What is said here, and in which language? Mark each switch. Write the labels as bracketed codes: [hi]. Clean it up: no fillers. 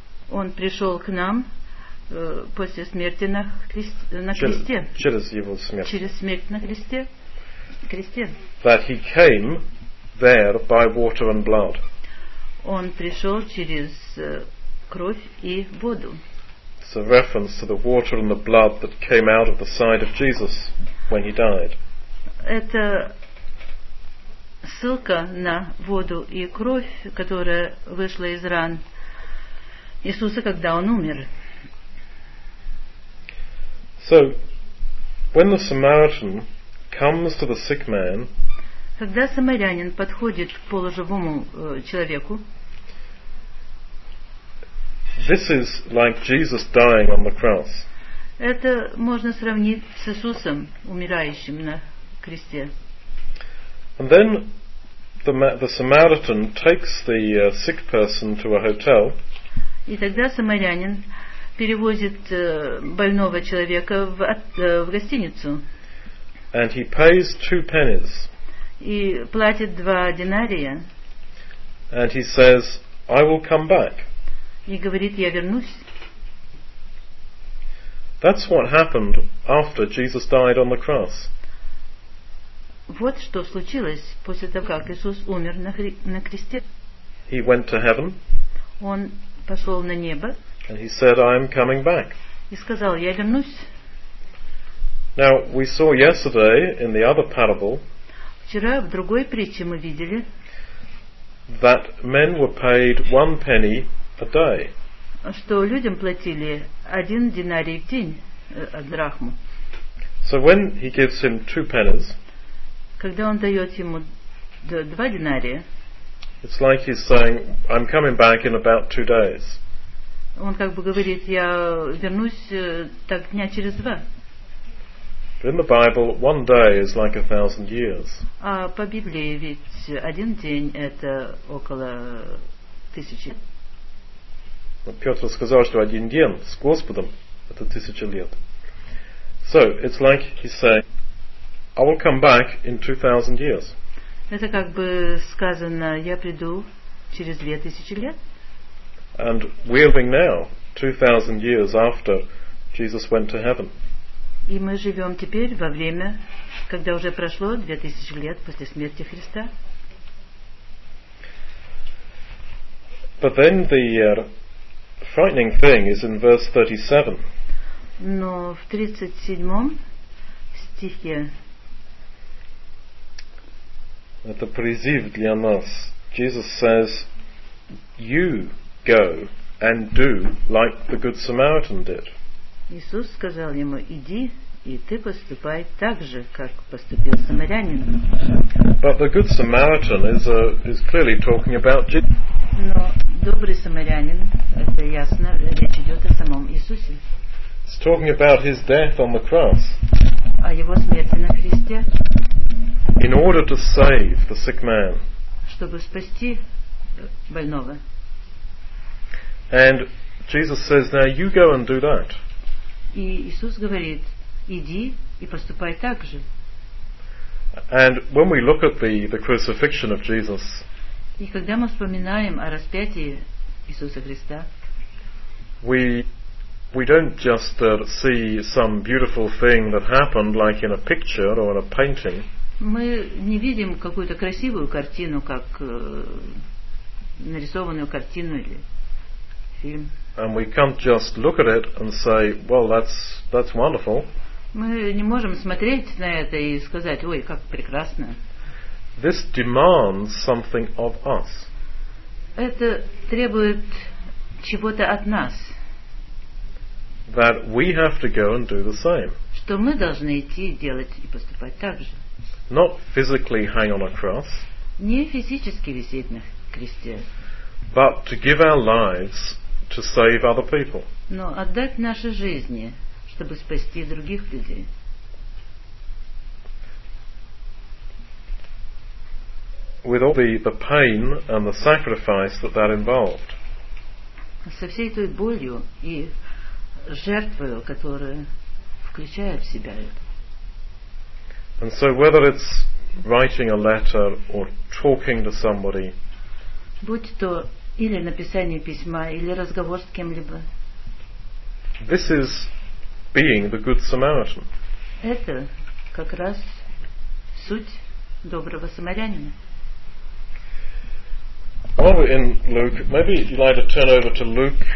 [ru] Он пришел к нам после смерти на кресте. Через его смерть. Через смерть на кресте. [en] That he came there by water and blood. [ru] Он пришел через кровь и воду. [en] It's a reference to the water and the blood that came out of the side of Jesus when he died. [ru] Это ссылка на воду и кровь, которая вышла из ран Иисуса, когда он умер. [en] So, when the Samaritan comes to the sick man, [ru] когда самарянин подходит к полуживому человеку, [en] this is like Jesus dying on the cross. [ru] Это можно сравнить с Иисусом, умирающим на кресте. [en] And then the Samaritan takes the sick person to a hotel. [ru] И тогда самарянин перевозит больного человека в гостиницу. [en] And he pays 2 pennies. [ru] И платит 2 динария. [en] And he says, "I will come back." [ru] И говорит, я вернусь. [en] That's what happened after Jesus died on the cross. [ru] Вот что случилось после того, как Иисус умер на кресте. [en] He went to heaven. [ru] Он пошел на небо. [en] And he said, "I am coming back." [ru] И сказал, я вернусь. [en] Now we saw yesterday in the other parable. [ru] Вчера в другой притче мы видели, [en] that men were paid 1 penny. [ru] Что людям платили 1 динарий в день, драхму. [en] So when he gives him 2 pennies, [ru] когда он дает ему 2 динария, [en] it's like he's saying, "I'm coming back in about 2 days." [ru] Он как бы говорит, я вернусь так дня через 2. [en] But in the Bible, 1 day is like 1,000 years. [ru] А по Библии ведь 1 день это около 1000. Петр сказал, что 1 день с Господом – это 1000 лет. [en] So, it's like he's saying, "I will come back in 2,000 years." [ru] Это как бы сказано, я приду через 2000 лет. [en] And we're living now, 2,000 years after Jesus went to heaven. [ru] И мы живем теперь во время, когда уже прошло 2000 лет после смерти Христа. [en] But then the frightening thing is in verse 37. [ru] Но в 37 стихе. Это призыв для нас. [en] Jesus says, "You go and do like the good Samaritan did." [ru] Иисус сказал ему: "Иди, и ты поступай так же, как поступил самарянин." [en] But the good Samaritan is clearly talking about Jesus. [ru] Но добрый самарянин, это ясно, речь идет о самом Иисусе. [en] It's talking about his death on the cross. [ru] О его смерти на кресте. [en] In order to save the sick man. [ru] Чтобы спасти больного. [en] And Jesus says, "Now you go and do that." [ru] И Иисус говорит, иди и поступай так же. [en] And when we look at the crucifixion of Jesus. [ru] И когда мы вспоминаем о распятии Иисуса Христа, [en] we don't just see some beautiful thing that happened like in a picture or in a painting. [ru] Мы не видим какую-то красивую картину, как нарисованную картину или фильм. [en] And we can't just look at it and say, "Well, that's wonderful." [ru] Мы не можем смотреть на это и сказать, "Ой, как прекрасно." [en] This demands something of us. [ru] Это требует чего-то от нас. [en] That we have to go and do the same. [ru] Что мы должны идти делать и поступать так же. [en] Not physically hang on a cross. [ru] Не физически висеть на кресте. [en] But to give our lives to save other people. [ru] Но отдать наши жизни, чтобы спасти других людей. [en] With all the pain and the sacrifice that involved. [ru] Со всей той болью и жертвою, которая включает в себя это. [en] And so whether it's writing a letter or talking to somebody, [ru] будь то или написание письма, или разговор с кем-либо, [en] this is being the good Samaritan. [ru] Это как раз суть доброго самарянина. [en] While we're in Luke, maybe you'd like to turn over to Luke.